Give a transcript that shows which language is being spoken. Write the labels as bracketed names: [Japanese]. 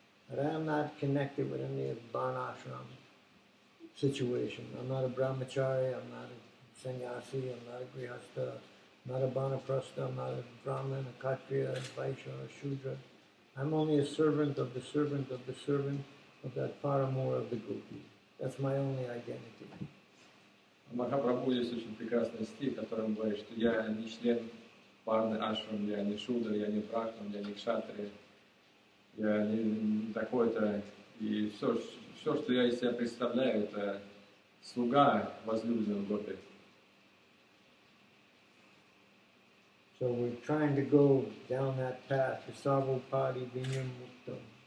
[English] And I am not connected with any of banashram situation. I'm not a brahmachari, I'm not a sannyasi, I'm not a grihastha, I'm not a banaprastha, I'm not a brahman, a kshatriya, a baisho, a shudra. I'm only a servant of the servant of the servant, of that paramour of the gopi. That's my only identity. [Russian] Махапрабху есть очень прекрасный стих, которым говорит, что я не член парны ашрам, я не шудра, я не брахман, я не кшатри, я не такой-то. И все, что я из себя представляю, это слуга возлюбленного гопи. [English] So we're trying to go down that path, the sarvopadi vinyam mukta.